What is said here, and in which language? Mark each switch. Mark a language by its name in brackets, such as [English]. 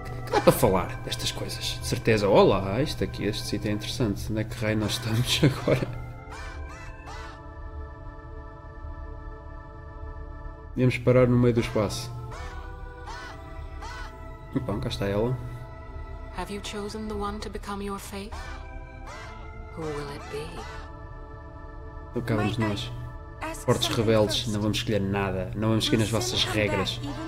[Portuguese] Dá para falar destas coisas, de certeza. Olá, isto aqui, este sítio é interessante. Onde é que raio nós estamos agora? Viemos parar no meio do espaço. E bom, cá está ela. [English] Have you chosen the one to become your faith? Who will it be? [Portuguese] Acabamos nós. Portos rebeldes, não vamos escolher nada, não vamos seguir nas vossas regras.